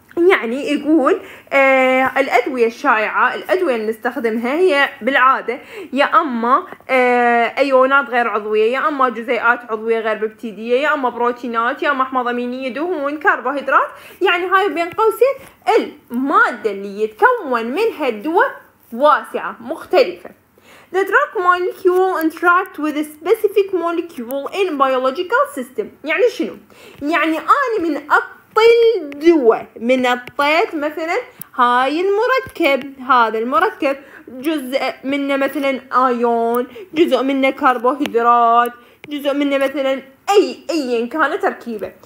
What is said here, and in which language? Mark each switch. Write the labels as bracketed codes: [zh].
[ar] يعني يقول الأدوية الشائعة، الأدوية اللي نستخدمها هي بالعادة يا أما أيونات غير عضوية، يا أما جزيئات عضوية غير ببتيدية، يا أما بروتينات، يا أما أحماض أمينية، دهون، كربوهيدرات. يعني هاي بين قوسين المادة اللي يتكون منها الدواء واسعة مختلفة. [en] The drug molecule interact with a specific molecule in biological system. [ar] يعني شنو؟ يعني أنا من الدواء من الطيت مثلا هاي المركب، هذا المركب جزء منه مثلا ايون، جزء منه كربوهيدرات، جزء منه مثلا اي كان تركيبه.